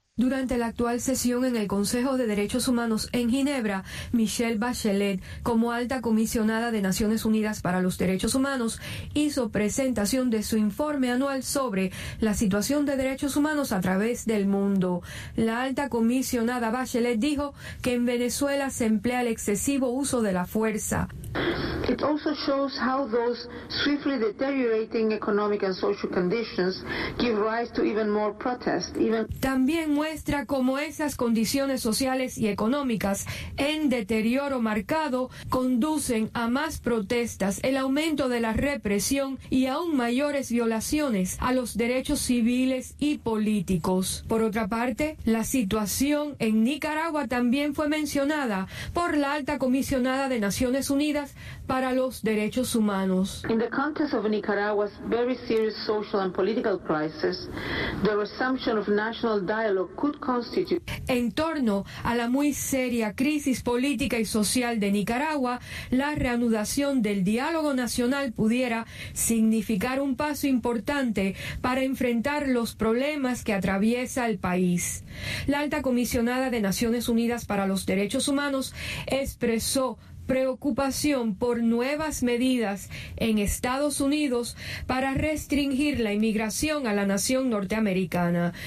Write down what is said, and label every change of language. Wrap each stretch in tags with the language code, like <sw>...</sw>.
<es>Durante la actual sesión en el Consejo de Derechos Humanos en Ginebra, Michelle Bachelet, como alta comisionada de Naciones Unidas para los Derechos Humanos, hizo presentación de su informe anual sobre la situación de derechos humanos a través del mundo. La alta comisionada Bachelet dijo que en Venezuela se emplea el excesivo uso de la fuerza.</es> <en>It also shows how those swiftly deteriorating economic and social conditions give rise to even more protest.</en> <es>También muestra cómo esas condiciones sociales y económicas en deterioro marcado conducen a más protestas, el aumento de la represión y aún mayores violaciones a los derechos civiles y políticos. Por otra parte, la situación en Nicaragua también fue mencionada por la alta comisionada de Naciones Unidas para los Derechos Humanos.</es> <en>In the context of Nicaragua's very serious social and political crisis, the resumption of national dialogue could constitute.</en> <es>En torno a la muy seria crisis política y social de Nicaragua, la reanudación del diálogo nacional pudiera significar un paso importante para enfrentar los problemas que atraviesa el país. La alta comisionada de Naciones Unidas para los Derechos Humanos expresó preocupación por nuevas medidas en Estados Unidos para restringir la inmigración a la nación norteamericana.</es>